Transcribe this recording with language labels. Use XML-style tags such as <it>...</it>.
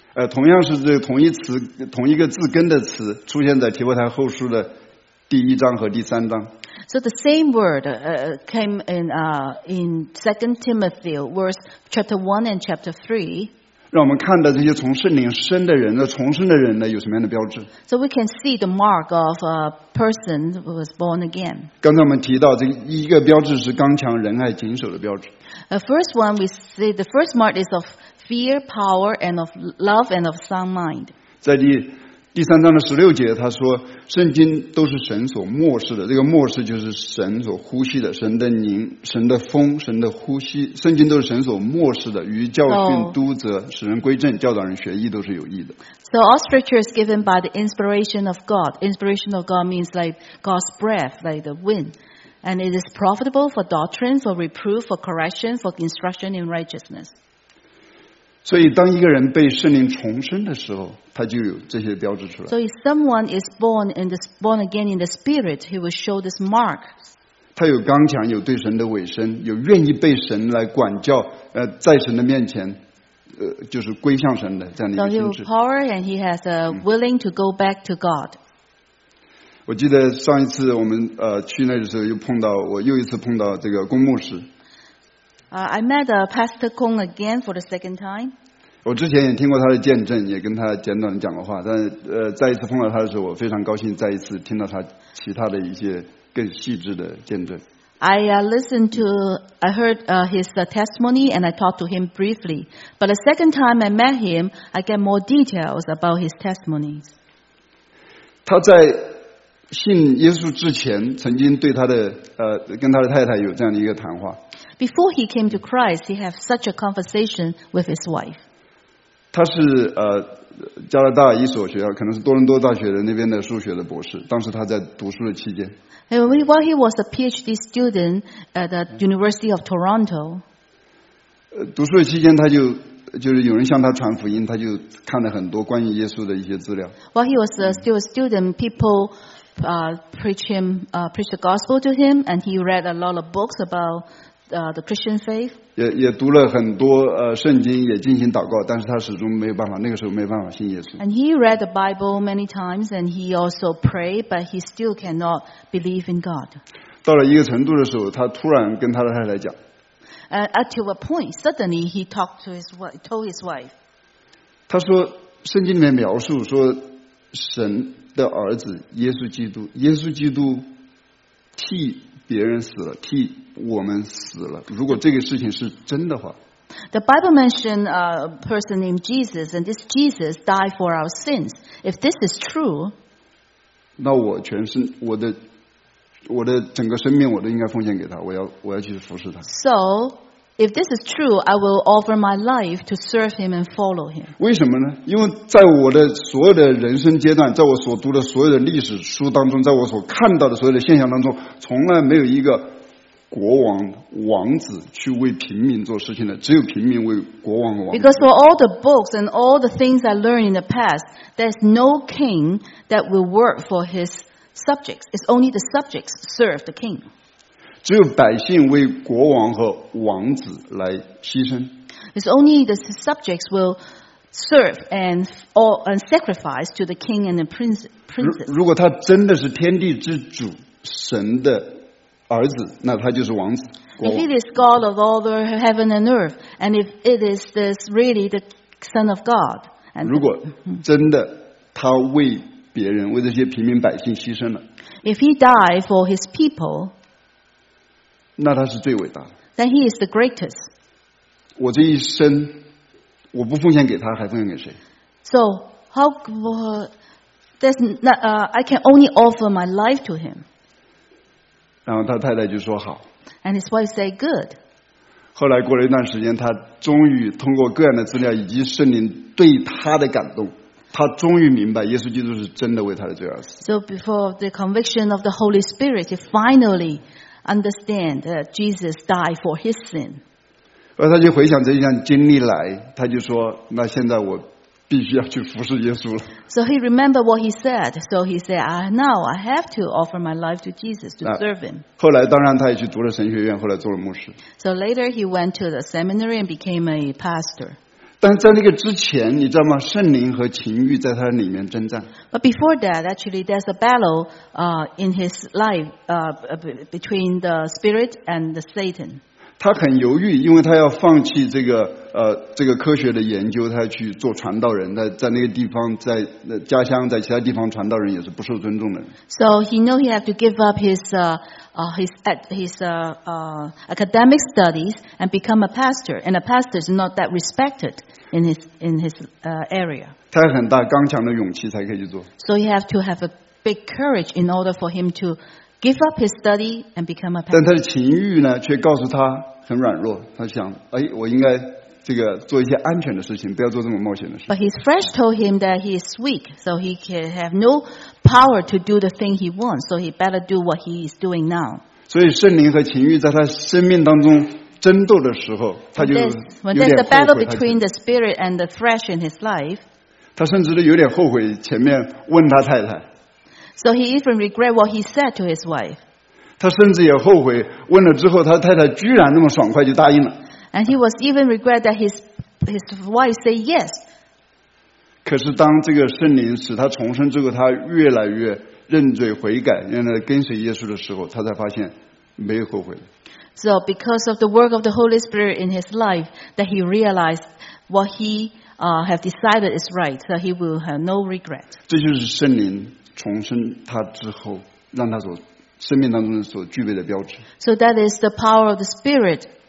<zh>同样是这同一词同一个字根的词出现在提摩太后书的第一章和第三章。</zh> <en>So the same word came in 2 Timothy verse chapter 1 and chapter 3.</en> <zh>让我们看到这些从圣灵生的人，那重生的人呢，有什么样的标志</zh> <en>？So we can see the mark of a person who was born again.</en> <zh>刚才我们提到这一个标志是刚强、仁爱、谨守的标志。</zh> <en>The first one we see, the first mark is of fear, power, and of love, and of sound mind.</en> <zh>在第三章的十六节，他说：“圣经都是神所默示的，这个默示就是神所呼吸的，神的灵、神的风、神的呼吸。圣经都是神所默示的，于教训、督责、使人归正、教导人学义都是有益的。”</zh> <en>So all scripture is given by the inspiration of God. Inspiration of God means like God's breath, like the wind, and it is profitable for doctrine, for reproof, for correction, for instruction in righteousness.</en> <zh>所以当一个人被圣灵重生的时候他就有这些标志出来。</zh> <en>So if someone is born, in the, born again in the spirit, he will show this mark.</en> <zh>他有刚强有对神的委身有愿意被神来管教在神的面前就是归向神的这样的一个心智。</zh> <en>So he has power and he has a willing to go back to God.</en> <zh>我记得上一次我们去那的时候又碰到我又一次碰到这个公牧师。</zh> <en>I met Pastor Kong again for the second time.</en> <zh>我之前也听过他的见证，也跟他简短的讲过话，但再一次碰到他的时候，我非常高兴再一次听到他其他的一些更细致的见证。</zh> <en>I heard his testimony and I talked to him briefly. But the second time I met him, I get more details about his testimonies.</en> <zh>他在信耶稣之前，曾经对他的跟他的太太有这样的一个谈话。</zh> <en>Before he came to Christ, he had such a conversation with his wife.</en> <zh>他是加拿大一所学校，可能是多伦多大学的那边的数学的博士。当时他在读书的期间</zh> <en>，While he was a PhD student at the University of Toronto,</en> <zh>读书的期间他就是有人向他传福音，他就看了很多关于耶稣的一些资料。</zh> <en>While he was still a student, people preach the gospel to him, and he read a lot of books about. The Christian faith.</en> <zh>也读了很多圣经，也进行祷告，但是他始终没有办法，那个时候没有办法信耶稣。</zh> <en>And he read the Bible many times, and he also prayed, but he still cannot believe in God.</en> <zh>到了一个程度的时候，他突然跟他的太太讲。</zh> <en>Up to a point, suddenly he talked to his wife, told his wife.</en> <zh>他说，圣经里面描述说，神的儿子耶稣基督，耶稣基督替。别人死了，替我们死了。如果这个事情是真的话</zh> <en>，The Bible mentioned a person named Jesus, and this Jesus died for our sins. If this is true,</en> <zh>那我全身、我的整个生命，我都应该奉献给他。我要去服侍他。</zh> <en>So If this is true, I will offer my life to serve him and follow him.</en> <zh>为什么呢？因为在我的所有的人生阶段，在我所读的所有的历史书当中，在我所看到的所有的现象当中，从来没有一个国王王子去为平民做事情的，只有平民为国王王子。</zh> <en>Because for all the books and all the things I learned in the past, there's no king that will work for his subjects. It's only the subjects serve the king.</en> <zh>只有百姓为国王和王子来牺牲。</zh> <en>It's only the subjects will serve and sacrifice to the king and the princes.</en> <zh>如果他真的是天地之主，神的儿子，那他就是王子。</zh> <en>If it is God of all the heaven and earth, and if it is this really the Son of God,</en> <zh>如果真的他为别人，为这些平民百姓牺牲了。</zh> <en>If he died for his people.</en> <zh>那他是最伟大的。</zh> <en>Then he is the greatest.</en> <zh>我这一生，我不奉献给他，还奉献给谁</zh> <en>？So how does not I can only offer my life to him.</en> <zh>然后他太太就说好。</zh> <en>And his wife said good.</en> <zh>后来过了一段时间，他终于通过各样的资料以及圣灵对他的感动。他终于明白耶稣基督是真的为他的罪而死。</zh> <en>So before the conviction of the Holy Spirit, he finally understand that Jesus died for his sin.</en> <zh>而他就回想这一段经历来，他就说：“那现在我必须要去服侍耶稣了。”</zh> <en>So he remembered what he said. So he said, "Now I have to offer my life to Jesus to serve him."</en> <zh>后来当然他也去读了神学院，后来做了牧师。</zh> <en>So later he went to the seminary and became a pastor.</en> <zh>但在那个之前，你知道吗？圣灵和情欲在他里面征战。</zh> <en>But before that, actually, there's a battle, in his life, between the spirit and the Satan.</en> <zh>他很犹豫，因为他要放弃这个科学的研究，他要去做传道人。在那个地方，在家乡，在其他地方，传道人也是不受尊重的。</zh> <en>So he knew he had to give up his academic studies and become a pastor. And a pastor is not that respected in his area.</en> <zh>他很大刚强的勇气才可以去做。</zh> <en>So he had to have a big courage in order for him to give up his study and become a pastor.</en> <zh>但他的情欲呢，却告诉他很软弱。他想，哎，我应该这个做一些安全的事情，不要做这么冒险的事。</zh> <en>But his flesh told him that he is weak, so he can have no power to do the thing he wants. So he better do what he is doing now.</en> <zh>所以圣灵和情欲在他生命当中争斗的时候，他就有点后悔。</zh> <en>When there's a battle between the spirit and the flesh in his life,</en> <zh>他甚至都有点后悔前面问他太太。</zh> <en>So he even regret what he said to his wife.</en> <zh>他甚至也后悔问了之后，他太太居然那么爽快就答应了。</zh> <en>And he was even regret that his wife say yes.</en> <zh>可是当这个圣灵使他重生之后，他越来越认罪悔改，越来跟随耶稣的时候，他才发现没有后悔。</zh> <en>So because of the work of the Holy Spirit in his life, that he realized what he have decided is right, so he will have no regret.</en> <zh>这就是圣灵重生他之后，让他所生命当中所具备的标志。</zh> <en>So that is the power of the Spirit.</en>